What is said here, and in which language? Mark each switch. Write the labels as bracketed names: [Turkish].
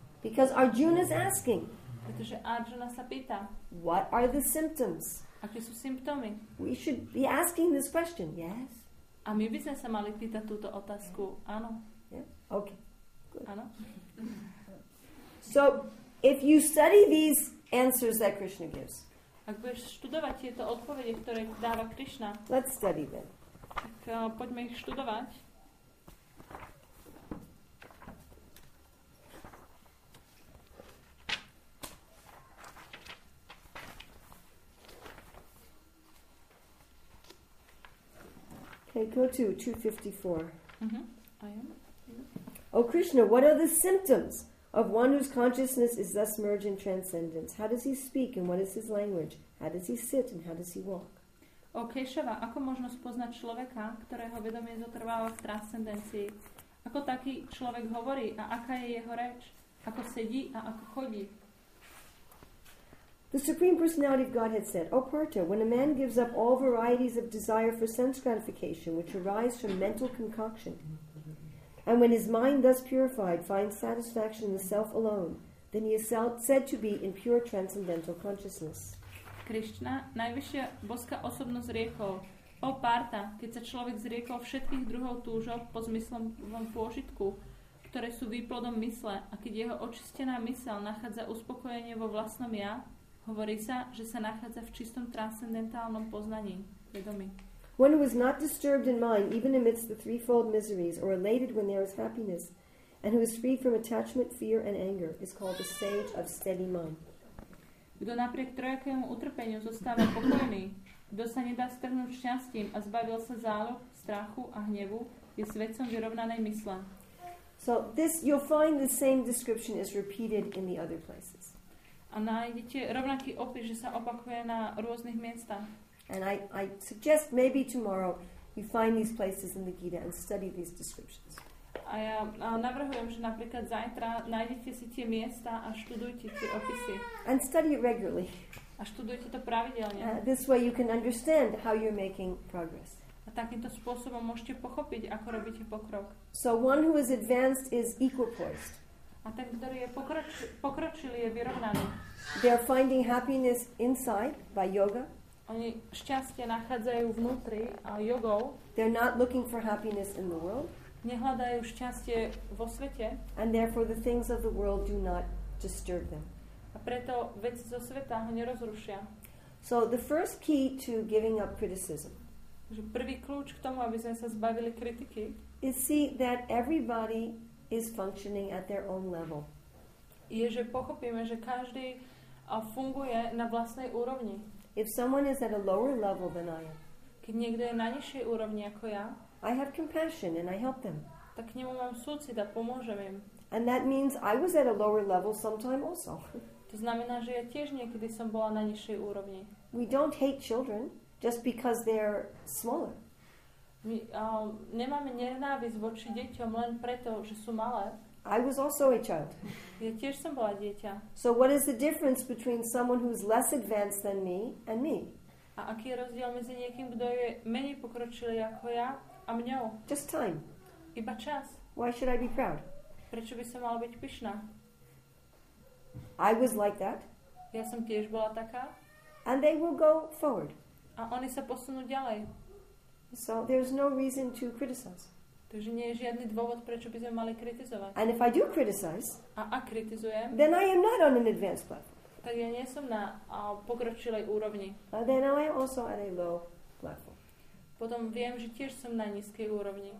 [English] Because Arjuna is asking. [Slovak] Pretože Arjuna sa pýta, [English] what are the symptoms? [Slovak] Aké sú symptómy? [English] We should be asking this question, yes? [Slovak] A my by sme sa mali pýtať túto otázku, áno. [English] Yeah? Okay. Good. [Slovak] Áno. [English] So, if you study these answers that Krishna gives, [Slovak] ak budeš študovať tieto odpovede, ktoré dáva Krishna, [English] let's study them. [Slovak] Tak poďme ich študovať. [English] Okay, go to 254. Mm-hmm. I am. Oh Krishna, what are the symptoms of one whose consciousness is thus merged in transcendence? How does he speak and what is his language? How does he sit and how does he walk? [Slovak] Oh Keshava, ako možno spoznať človeka, ktorého vedomie zotrváva v transcendencii? Ako taký človek hovorí a aká je jeho reč? Ako sedí a ako chodí? [English] The Supreme Personality of Godhead said, O Partha, when a man gives up all varieties of desire for sense gratification which arise from mental concoction, and when his mind thus purified finds satisfaction in the self alone, then he is said to be in pure transcendental consciousness. [Slovak] Krishna, najvyššia božská osobnosť riekol, O Partha, keď sa človek zriekol všetkých druhov túžob po zmyslovom pôžitku, ktoré sú výplodom mysle, a keď jeho očistená mysel nachádza uspokojenie vo vlastnom ja, hovorí sa, že sa nachádza v čistom transcendentálnom poznaní, vedomí. [English] When he was not disturbed in mind, even amidst the threefold miseries, or elated when there is happiness, and who is free from attachment, fear and anger, is called the sage of steady mind. [Slovak] Kto napriek trojakému utrpeniu zostáva pokojný, kto sa nedá strhnúť šťastím a zbavil sa záľub, strachu a hnevu, je svedcom vyrovnanej mysle. [English] So this, you'll find the same description is repeated in the other places. [Slovak] A nájdete rovnaký opis, že sa opakuje na rôznych miestach. [English] And I suggest maybe tomorrow you find these places in the Gita and study these descriptions. [Slovak] A ja navrhujem, že napríklad zajtra nájdete si tie miesta a študujte tie opisy. [English] And study it regularly. [Slovak] A študujte to pravidelne. [English] This way you can understand how you're making progress. [Slovak] A takýmto spôsobom môžete pochopiť, ako robíte pokrok. [English] So one who is advanced is equipoised. [Slovak] A ten, ktorý je pokročilý, je vyrovnaný. [English] They are finding happiness inside by yoga. [Slovak] Oni šťastie nachádzajú vnútri a jogou. [English] They're not looking for happiness in the world. [Slovak] Nehľadajú šťastie vo svete. [English] And therefore the things of the world do not disturb them. [Slovak] A preto veci zo sveta ho nerozrušia. [English] So the first key to giving up criticism. [Slovak] Takže prvý kľúč k tomu, aby sme sa zbavili kritiky. [English] Is see that everybody is functioning at their own level. [Slovak] Je, že pochopíme, že každý funguje na vlastnej úrovni. [English] If someone is at a lower level than I am, [Slovak] keď niekto je na nižšej úrovni ako ja, [English] I have compassion and I help them. [Slovak] Tak k nemu mám súcit a pomôžem im. [English] And that means I was at a lower level sometime also. [Slovak] To znamená, že ja tiež niekedy som bola na nižšej úrovni. [English] We don't hate children just because they're smaller. [Slovak] My nemáme nenávisť voči deťom len preto, že sú malé. [English] I was also a child. [Slovak] Ja tiež som bola dieťa. [English] So what is the difference between someone who's less advanced than me and me? [Slovak] A aký je rozdiel medzi niekým, kto je menej pokročilý ako ja a mňou? [English] Just time. [Slovak] Iba čas. [English] Why should I be proud? [Slovak] Prečo by som mala byť pyšná? [English] I was like that. [Slovak] Ja som tiež bola taká. [English] And they will go forward. [Slovak] A oni sa posunú ďalej. [English] So there's no reason to criticize. [Slovak] Takže nie je žiadny dôvod, prečo by sme mali kritizovať. [English] And if I do criticize, [Slovak] a kritizujem, [English] then I am not on an advanced level. [Slovak] Tak ja nie som na pokročilej úrovni. [English] But then I am also at a low level. [Slovak] Potom viem, že tiež som na nízkej úrovni.